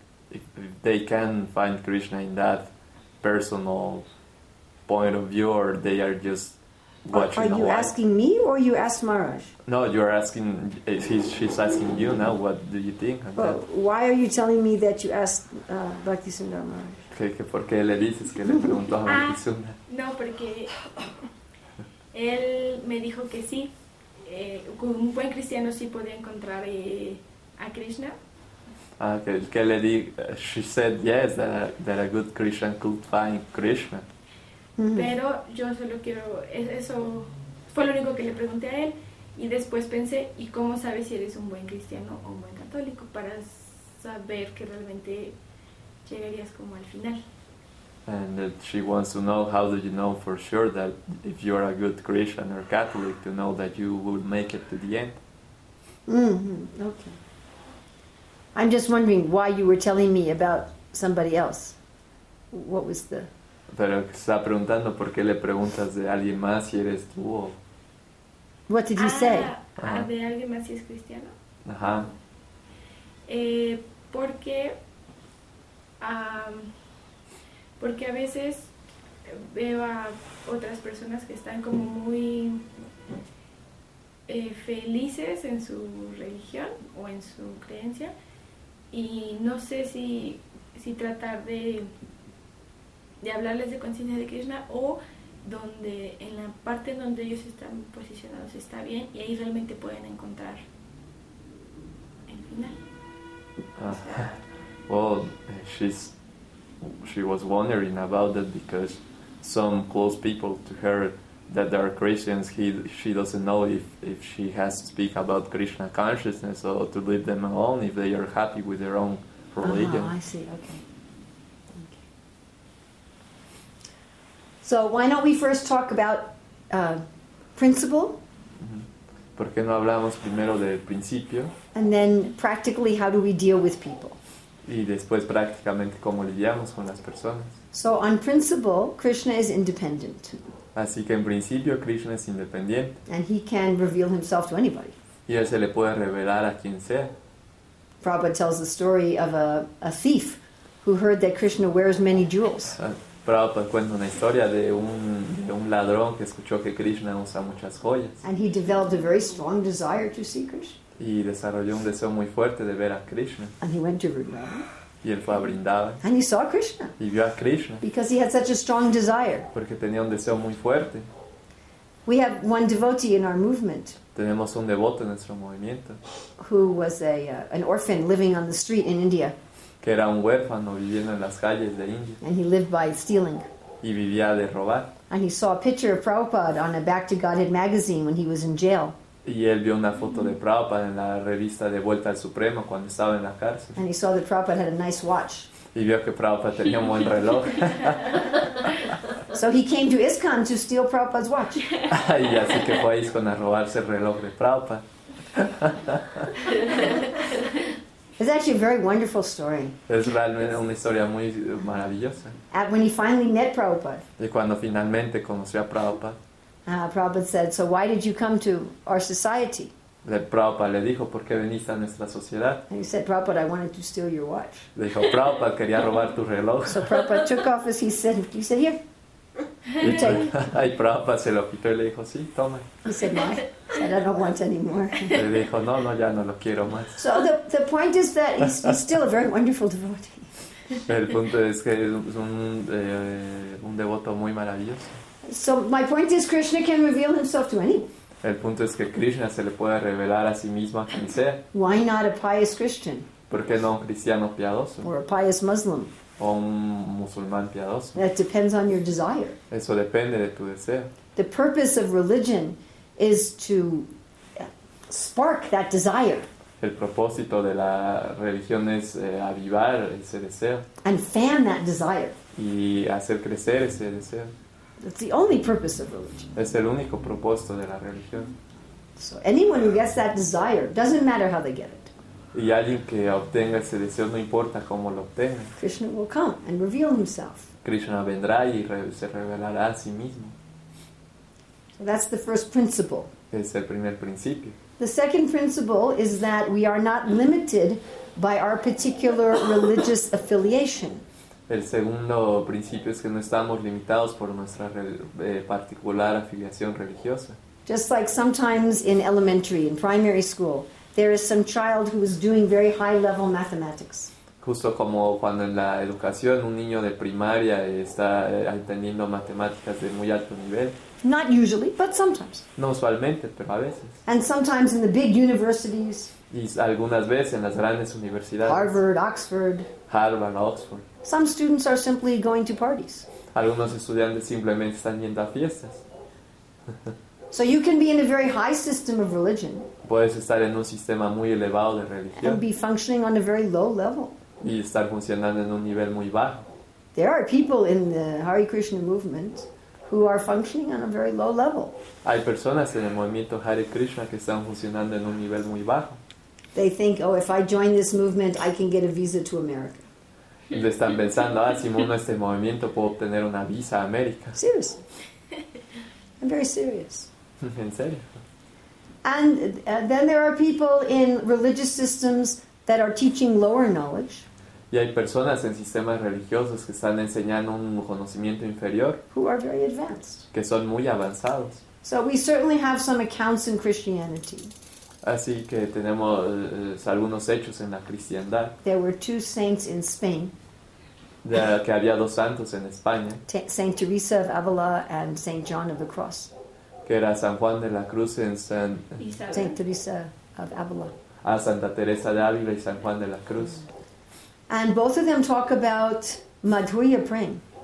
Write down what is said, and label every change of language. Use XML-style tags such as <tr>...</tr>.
<en>If they can find Krishna in that personal point of view, or they are just watching. Are you asking me or you ask Maharaj? No, you're asking, she's asking you now, what do you think of that? Why are you telling me that you asked Bhaktisundar Maharaj?</en> <es>¿Que por qué le dices que le preguntó a Bhaktisundar? No, porque él me dijo que sí, un buen cristiano sí podía encontrar a Krishna. Ah, que le di,</es> <en>she said yes, that a good Christian could find Krishna. Mm-hmm.</en> <es>Pero yo solo quiero, eso fue lo único que le pregunté a él. Y después pensé, ¿y cómo sabes si eres un buen cristiano o un buen católico? Para saber que realmente llegarías como al final.</es> <en>And she wants to know, how do you know for sure that if you are a good Christian or Catholic, to know that you will make it to the end? Mm-hmm. Okay. I'm just wondering why you were telling me about somebody else. What was the...</en> <es>Pero está preguntando por qué le preguntas de alguien más si eres tú o...</es> <en>What did you say?</en> <es>De alguien más si es cristiano. Ajá. Porque... porque a veces veo a otras personas que están como muy felices en su religión o en su creencia y no sé si tratar de hablarles de conciencia de Krishna o donde en la parte en donde ellos están posicionados está bien y ahí realmente pueden encontrar el final.</es> <en>She was wondering about that because some close people to her that are Christians, she doesn't know if she has to speak about Krishna consciousness or to leave them alone if they are happy with their own religion. Oh, I see. Okay. So why don't we first talk about principle?</en> <es>¿Por qué no hablamos primero del principio?</es> <en>And then practically, how do we deal with people?</en> <es>Y después prácticamente cómo lidiamos con las personas.</es> <en>So on principle, Krishna is independent.</en> <es>Así que en principio Krishna es independiente.</es> <en>And he can reveal himself to anybody.</en> <es>Y él se le puede revelar a quien sea.</es> <en>Prabhupada tells the story of a thief who heard that Krishna wears many jewels.</en> <es>Prabhupada cuenta una historia de un ladrón que escuchó que Krishna usa muchas joyas.</es> <en>And he developed a very strong desire to see Krishna.</en> <es>Y desarrolló un deseo muy fuerte de ver a Krishna.</es> <en>And he went to Vrindavan.</en> <es>Y él fue a Vrindavan.</es> <en>And he saw Krishna.</en> <es>Y vio a Krishna.</es> <en>Because he had such a strong desire.</en> <es>Porque tenía un deseo muy fuerte.</es> <en>We have one devotee in our movement.</en> <es>Tenemos un devoto en nuestro movimiento.</es> <en>Who was an orphan living on the street in India.</en> <es>Que era un huérfano viviendo en las calles de India.</es> <en>And he lived by stealing.</en> <es>Y vivía de robar.</es> <en>And he saw a picture of Prabhupada on a Back to Godhead magazine when he was in jail.</en> <es>Y él vio una foto de Prabhupada en la revista De Vuelta al Supremo cuando estaba en la cárcel.</es> <en>And he saw that Prabhupada had a nice watch.</en> <es>Y vio que Prabhupada tenía un buen reloj.</es> <en>So he came to ISKCON to steal Prabhupada's watch.</en> <es>Y así que fue a ISKCON a robarse el reloj de Prabhupada.</es> <en>It's actually a very wonderful story.</en> <es>Es realmente una historia muy maravillosa.</es> <en>And when he finally met Prabhupada.</en> <es>Y cuando finalmente conoció a Prabhupada.</es> <en>Prabhupada said, so why did you come to our society?</en> <es>Le Prabhupada le dijo, ¿por qué veniste a nuestra sociedad?</es> <en>And he said, Prabhupada, I wanted to steal your watch.</en> <es>Le dijo, Prabhupada, quería robar tu reloj.</es> <en>So Prabhupada took off as he said, you sit here. You take it.</en> <es>Y Prabhupada se lo quitó y le dijo, sí, toma.</es> <en>He said, no. He said, I don't want any more.</en> <es>Le dijo, no, ya no lo quiero más.</es> <en>So the point is that he's still a very wonderful devotee.</en> <es>El punto es que es un devoto muy maravilloso.</es> <en>So my point is Krishna can reveal himself to anyone.</en> <es>El punto es que Krishna se le puede revelar a sí mismo a quien sea.</es> <en>Why not a pious Christian?</en> <es>¿Por qué no un cristiano piadoso?</es> <en>Or a pious Muslim?</en> <es>O un musulmán piadoso.</es> <en>That depends on your desire.</en> <es>Eso depende de tu deseo.</es> <en>The purpose of religion is to spark that desire.</en> <es>El propósito de la religión es avivar ese deseo.</es> <en>And fan that desire.</en> <es>Y hacer crecer ese deseo.</es> <en>It's the only purpose of religion.</en> <es>Es el único propósito de la religión.</es> <en>So anyone who gets that desire, doesn't matter how they get it.</en> <es>Y alguien que obtenga ese deseo, no importa cómo lo obtenga.</es> <en>Krishna will come and reveal himself.</en> <es>Krishna vendrá y se revelará a sí mismo.</es> <en>So that's the first principle.</en> <es>Es el primer principio.</es> <en>The second principle is that we are not limited by our particular religious affiliation.</en> <es>El segundo principio es que no estamos limitados por nuestra particular afiliación religiosa.</es> <en>Just like sometimes in elementary, in primary school, there is some child who is doing very high-level mathematics.</en> <es>Justo como cuando en la educación un niño de primaria está entendiendo matemáticas de muy alto nivel.</es> <en>Not usually, but sometimes.</en> <es>No usualmente, pero a veces.</es> <en>And sometimes in the big universities.</en> <es>Y algunas veces en las grandes universidades.</es> <en>Harvard, Oxford. Some students are simply going to parties.</en> <es>Algunos estudiantes simplemente están yendo a fiestas.</es> <en>So you can be in a very high system of religion.</en> <es>Puedes estar en un sistema muy elevado de religión.</es> <en>And be functioning on a very low level.</en> <es>Y estar funcionando en un nivel muy bajo.</es> <en>there are people in the Hare Krishna movement who are functioning on a very low level.</en> <es>Hay personas en el movimiento Hare Krishna que están funcionando en un nivel muy bajo.</es> <en>They think, oh, if I join this movement, I can get a visa to America.</en> <es>Y le están pensando, ah, si me uno a este movimiento, puedo obtener una visa a América.</es> <en>Serious. I'm very serious.</en> <es>¿En serio?</es> <en>And then there are people in religious systems that are teaching lower knowledge.</en> <es>Y hay personas en sistemas religiosos que están enseñando un conocimiento inferior.</es> <en>Who are very advanced.</en> <es>Que son muy avanzados.</es> <en>So we certainly have some accounts in Christianity.</en> <es>Así que tenemos algunos hechos en la cristiandad.</es> <en>There were two saints in Spain.</en> <es>Que había dos santos en España.</es> <en>Saint Teresa of Avila and Saint John of the Cross.</en> <es>Que era San Juan de la Cruz en San...</es> <en>Saint Teresa of Avila.</en> <es>Ah, Santa Teresa de Ávila y San Juan de la Cruz.</es> <en>And both of them talk about Madhurya Prem.</en>